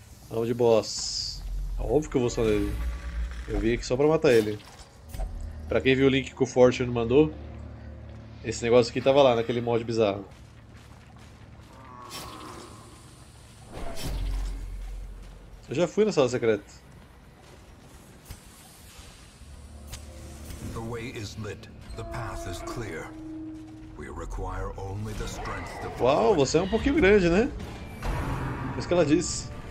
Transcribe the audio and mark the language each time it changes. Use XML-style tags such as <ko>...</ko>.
<pt>Vamos de boss. É óbvio que eu vou só nele. Eu vim aqui só pra matar ele. Pra quem viu o link que o Fortune mandou, esse negócio aqui tava lá naquele mod bizarro. Eu já fui na sala secreta.</pt> <en>way is lit, the path is clear. We require only the strength to fight.</en> <pt>Uau, você é um pouquinho grande, né? É isso que ela diz.</pt>